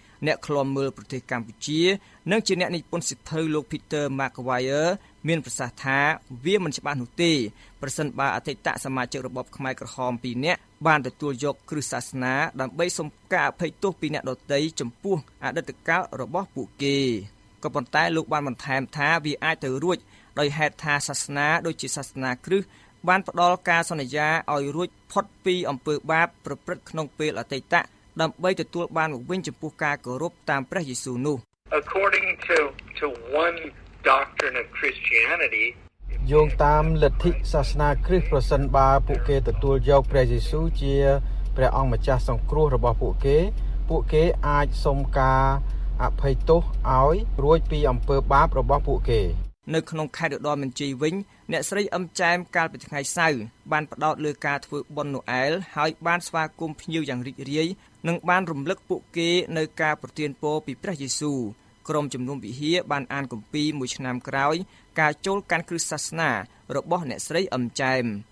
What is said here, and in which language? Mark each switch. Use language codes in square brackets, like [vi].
[km] អ្នកឃ្លាំមើលប្រទេសកម្ពុជានិងជាអ្នកនិពន្ធសិទ្ធិលោក Peter McGuire មានប្រសាសន៍ថាវាមិនច្បាស់នោះទេប្រសិនបើអតីតសមាជិករបបខ្មែរក្រហម2នាក់បានទទួលយកគ្រឹះសាសនាដើម្បីសុំការអភ័យទោសពីអ្នកដទៃចំពោះអតីតកាលរបស់ពួកគេ ក៏ប៉ុន្តែលោកបានបន្ថែមថាវាអាចទៅរួចដោយហេតុថាសាសនាដូចជាសាសនាគ្រឹះបានផ្ដល់ការសន្យាឲ្យរួចផុតពីអំពើបាបប្រព្រឹត្តក្នុងពេលអតីតដើម្បីទទួលបានមកវិញចំពោះការគោរពតាមព្រះយេស៊ូវនោះ [en] According to one doctrine of Christianity [km] យោងតាមលទ្ធិសាសនាគ្រីស្ទប្រសិនបើពួកគេទទួលយកព្រះយេស៊ូវជាព្រះអង្គម្ចាស់សង្គ្រោះរបស់ពួកគេអាចសុំការអភ័យទោសឲ្យរួចពីអំពើបាបរបស់ពួកគេ នៅក្នុងខេត្តឧត្តរមានជ័យវិញអ្នកស្រីអឹមចែមកាលពីថ្ងៃសៅរ៍បានផ្តោតលើការធ្វើបុណ្យណូអែលហើយបានស្វាគមន៍ភ្ញៀវយ៉ាងរីករាយនិងបានរំលឹកពួកគេនៅការប្រទានពរពីព្រះយេស៊ូវក្រុមជំនុំវិហារបានអានគម្ពីរមួយឆ្នាំក្រោយការចូលកាន់គ្រឹះសាសនារបស់អ្នកស្រីអឹមចែម